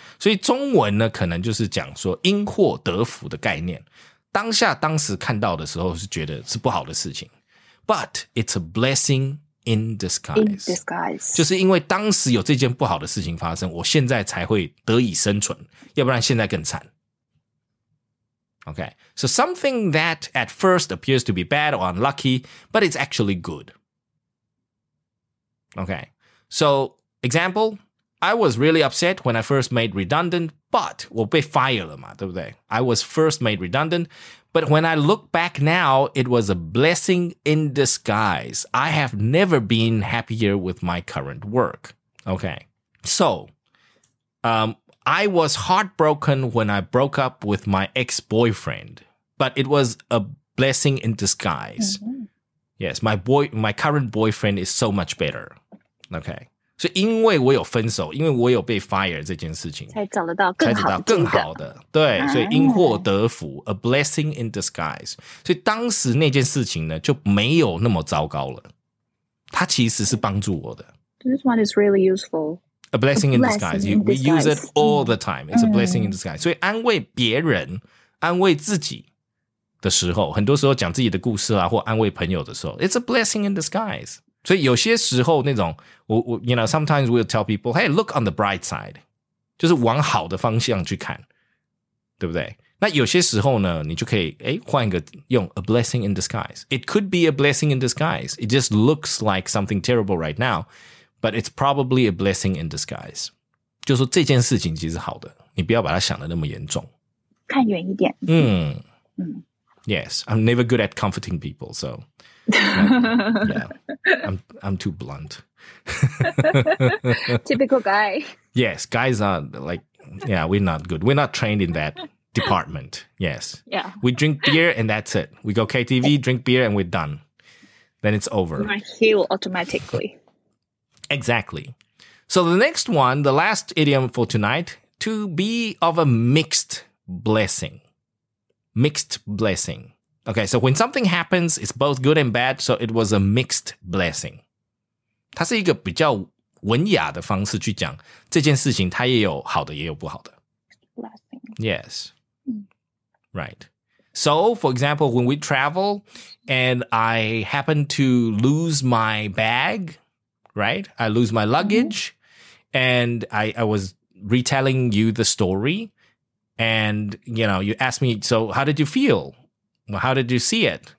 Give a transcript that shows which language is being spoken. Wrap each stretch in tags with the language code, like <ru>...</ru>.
<zh>所以中文呢，可能就是讲说因祸得福的概念，当下当时看到的时候是觉得是不好的事情，</zh> <en>But it's a blessing in disguise.</en> <zh>就是因为当时有这件不好的事情发生，我现在才会得以生存，要不然现在更惨。</zh> <en>Okay, so something that at first appears to be bad or unlucky, but it's actually good. Okay, so example,I was really upset when I first made redundant, but</en> <zh>我被 fire 了嘛，对不对？</zh> <en>I was first made redundant, but when I look back now, it was a blessing in disguise. I have never been happier with my current work. Okay, so I was heartbroken when I broke up with my ex-boyfriend, but it was a blessing in disguise. Mm-hmm. Yes, my current boyfriend is so much better. Okay.</en> <zh>所以因为我有分手，因为我有被 fire 这件事情，才找得到更好的。对，所以因祸得福 ，</zh> <en>a blessing in disguise。</en> <zh>所以当时那件事情呢，就没有那么糟糕了。它其实是帮助我的。</zh> <en>This one is really useful. A blessing in disguise.</en> <zh>We use it all the time. It's a blessing in disguise. 所以安慰别人、安慰自己的时候，很多时候讲自己的故事啊，或安慰朋友的时候 ，</zh> <en>it's a blessing in disguise.</en> <zh>所以有些时候那种</zh> <en>you know, sometimes we'll tell people, hey, look on the bright side.</en> <zh>就是往好的方向去看。对不对？那有些时候呢，你就可以诶换一个用</zh> <en>a blessing in disguise. It could be a blessing in disguise. It just looks like something terrible right now, but it's probably a blessing in disguise.</en> <zh>就说这件事情其实好的，你不要把它想得那么严重。看远一点。</zh> <en>Yes, I'm never good at comforting people, so... I'm too blunt. Typical guy. Yes, guys are like... Yeah, we're not good. We're not trained in that department. Yes. Yeah. We drink beer and that's it. We go KTV, drink beer, and we're done. Then it's over. You might heal automatically. Exactly. So the next one, the last idiom for tonight, to be of a mixed blessing. Mixed blessing. Okay, so when something happens, it's both good and bad, so it was a mixed blessing.</en> <zh>它是一个比较文雅的方式去讲这件事情，它也有好的，也有不好的。</zh> <en>Blessing. Yes. Right. So, for example, when we travel and I happen to lose my bag, right? I lose my luggage, and I was retelling you the story. And, you know, you asked me, so how did you feel? How did you see it?</en>